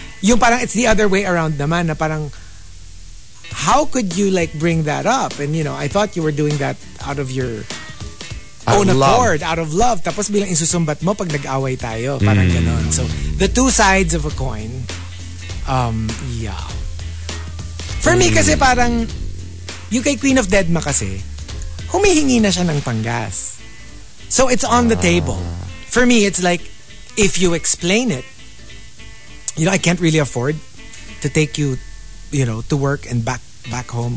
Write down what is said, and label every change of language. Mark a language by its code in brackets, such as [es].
[tl] Yung parang [en] it's the other way around [tl] naman na parang [en] how could you like bring that up? And you know, I thought you were doing that out of your own accord, out of love. [tl] Tapos bilang isusumbat mo pag nag-away tayo, parang ganon. [en] So the two sides of a coin. Yeah. For me [tl] kasi parang yung kay Queen of Dedma kasi humihingi na siya ng panggas. [en] So it's on the table. For me it's like if you explain it, you know, I can't really afford to take you, you know, to work and back home.